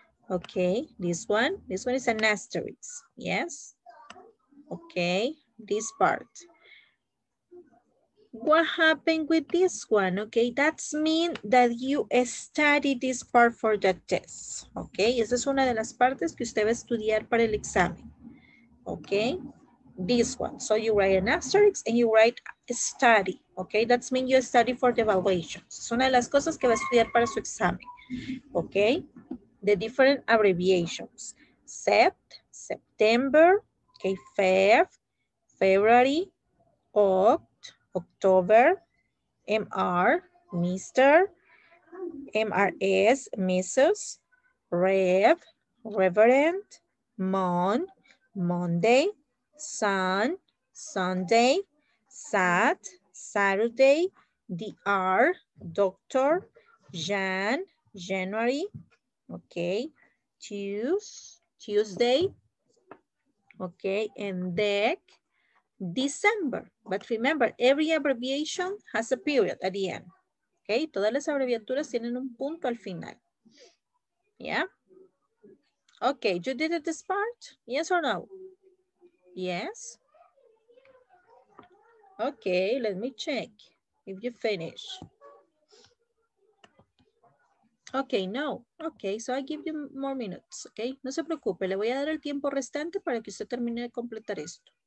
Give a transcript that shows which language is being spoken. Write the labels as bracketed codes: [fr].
[en] Okay, this one is an asterisk, yes? Okay, this part. what happened with this one, okay? That's mean that you study this part for the test, okay? [es] Esa es una de las partes que usted va a estudiar para el examen, okay? [en] This one. So you write an asterisk and you write study, okay? That's mean you study for the evaluation. [es] Es una de las cosas que va a estudiar para su examen, okay? [en] The different abbreviations. Sept, September, okay, Feb, February, Oct, October, MR, Mr., MRS, Mrs., Rev, Reverend, Mon, Monday, Sun, Sunday, Sat, Saturday, Dr., Doctor, Jan, January, okay, Tuesday, okay, and deck, December. But remember, every abbreviation has a period at the end, okay? [es] Todas las abreviaturas tienen un punto al final, yeah? [en] Okay, you did it this part, yes or no? Yes? Okay, let me check if you finish. Okay, no. Okay, so I give you more minutes, okay? [es] No se preocupe, le voy a dar el tiempo restante para que usted termine de completar esto.